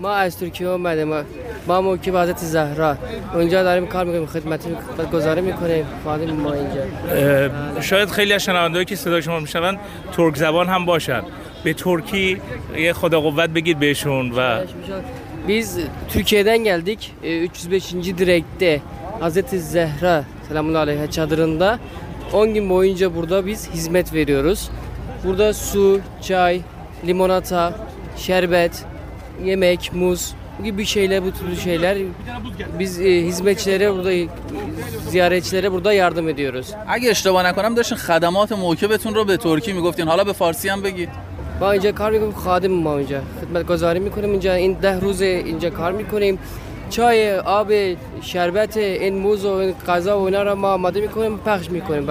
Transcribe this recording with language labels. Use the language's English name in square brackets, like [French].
[Persian] ما از ترکیه اومدیم، ما موکب حضرت زهرا اونجا داریم کار میکنیم، خدمتی گزاره میکنیم. خادم ما اینجا. شاید خیلی از شنوندهایی که صدای شما میشنون ترک زبان هم باشن، به ترکی یه خدا قوت بگید بهشون. و [Turkish] بیز ترکیه‌دن گلدیک 305. دیرکته Hazreti Zehra selamun aleyha çadırında 10 gün boyunca burada biz hizmet veriyoruz. Burada su, çay, limonata, şerbet, yemek, muz gibi şeyler, bu türlü şeyler biz hizmetçilere burada, ziyaretçilere burada yardım ediyoruz. [Persian] اگه اشتباه نکنم داشتین خدمات موکبتون رو به ترکی میگفتین، حالا به فارسی هم بگید. ما اینجا کار میکنم، خادم ما اینجا خدمت گذاری میکنیم، اینجا این 10 روز اینجا کار میکنیم. چای، آب، شربت، این موز و این غذا و اینا رو ما آماده میکنیم، پخش میکنیم.